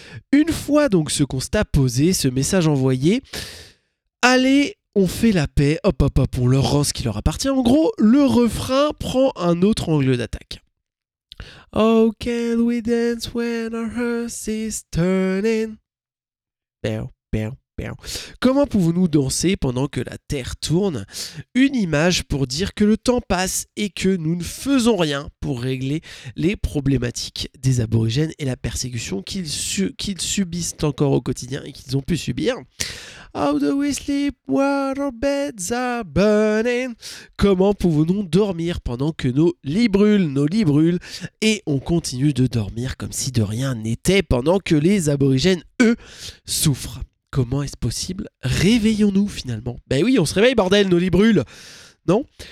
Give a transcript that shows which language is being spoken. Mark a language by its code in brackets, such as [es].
[fr] Une fois donc ce constat posé, ce message envoyé, allez, on fait la paix, hop, on leur rend ce qui leur appartient. En gros, le refrain prend un autre angle d'attaque. [en] Oh, can we dance when our hearts is turning? Bow, bow, bow. [fr] super. Comment pouvons-nous danser pendant que la Terre tourne ? Une image pour dire que le temps passe et que nous ne faisons rien pour régler les problématiques des aborigènes et la persécution qu'ils subissent encore au quotidien et qu'ils ont pu subir. [en] How do we sleep while our beds are burning? [fr] Comment pouvons-nous dormir pendant que nos lits brûlent, et on continue de dormir comme si de rien n'était pendant que les aborigènes, eux, souffrent? Comment est-ce possible? Réveillons-nous finalement? Ben oui, on se réveille, bordel, nos lits brûlent! Non?